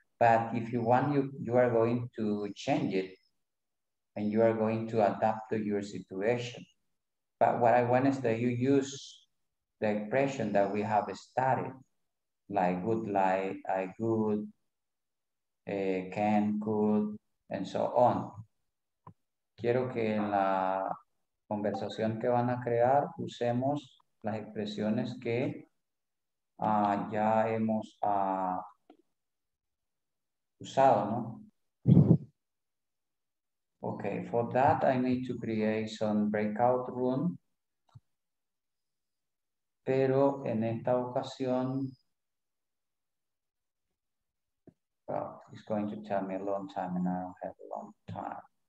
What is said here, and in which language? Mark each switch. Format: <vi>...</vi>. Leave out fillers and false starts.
<en>But if you want, you are going to change it and you are going to adapt to your situation. But what I want is that you use the expression that we have studied, like would like, I could, can, could, and so on.</en> <es>Quiero que en la conversación que van a crear, usemos las expresiones que ya hemos usado, ¿no?</es> <en>Okay, for that I need to create some breakout room.</en> <es>Pero en esta ocasión,</es> <en>well, it's going to take me a long time and I don't have a long time.</en>